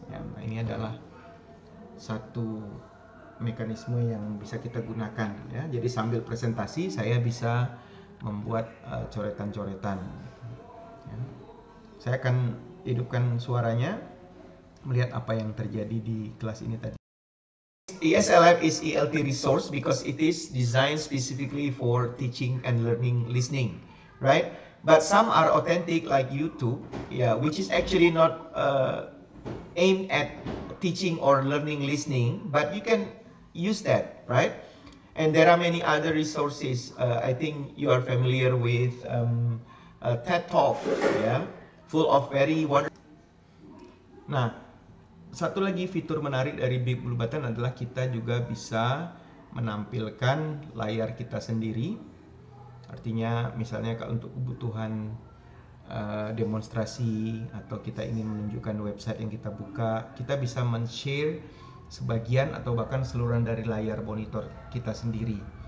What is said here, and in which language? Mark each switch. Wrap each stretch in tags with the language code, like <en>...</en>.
<id>Ya, nah, ini adalah satu mekanisme yang bisa kita gunakan ya. Jadi sambil presentasi saya bisa membuat coretan-coretan. Saya akan hidupkan suaranya, melihat apa yang terjadi di kelas ini tadi.</id> <en>ESLF is ELT resource because it is designed specifically for teaching and learning listening, right? But some are authentic like YouTube, yeah, which is actually not aimed at teaching or learning listening, but you can use that, right? And there are many other resources. I think you are familiar with TED Talk, yeah. Full of very wonderful.</en> <id>Nah, satu lagi fitur menarik dari Big Blue Button adalah kita juga bisa menampilkan layar kita sendiri. Artinya, misalnya kalau untuk kebutuhan demonstrasi atau kita ingin menunjukkan website yang kita buka, kita bisa men-share sebagian atau bahkan seluruhan dari layar monitor kita sendiri.</id>